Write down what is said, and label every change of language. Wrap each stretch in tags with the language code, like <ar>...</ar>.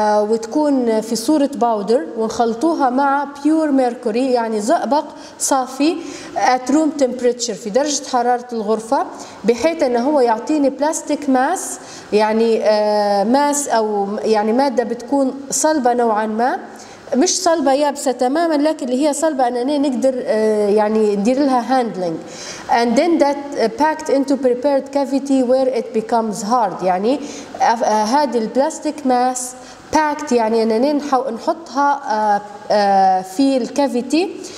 <ar>وتكون في صورة باودر، ونخلطوها مع بيور ميركوري يعني زئبق صافي</ar> <en>at room temperature</en> <ar>في درجة حرارة الغرفة، بحيث أنه هو يعطيني بلاستيك ماس، يعني ماس أو يعني مادة بتكون صلبة نوعا ما، مش صلبة يابسة تماما، لكن اللي هي صلبة أننا نقدر يعني ندير لها handling.</ar> <en>And then that packed into prepared cavity where it becomes hard.</en> <ar>يعني هذه البلاستيك ماس packed، يعني أننا نحطها في الكافيتي.</ar>